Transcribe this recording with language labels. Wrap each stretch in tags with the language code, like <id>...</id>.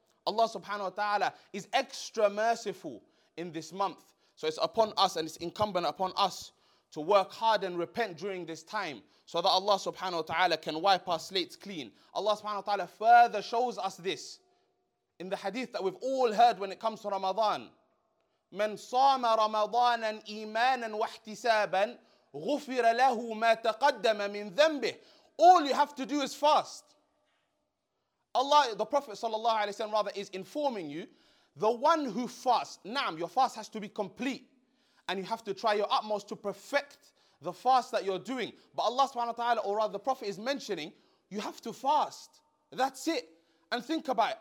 <en>Allah subhanahu wa ta'ala is extra merciful in this month. So it's upon us and it's incumbent upon us to work hard and repent during this time so that Allah subhanahu wa ta'ala can wipe our slates clean. Allah subhanahu wa ta'ala further shows us this in the hadith that we've all heard when it comes to Ramadan.</en> <ar>من صام رمضانا إيمانا واحتسابا غفر له ما تقدم من ذنبه.</ar> <en>All you have to do is fast. Allah, the Prophet sallallahu alaihi wasallam rather is informing you, the one who fasts, naam, your fast has to be complete and you have to try your utmost to perfect the fast that you're doing. But Allah subhanahu wa ta'ala, or rather the Prophet is mentioning, you have to fast. That's it. And think about it.</en>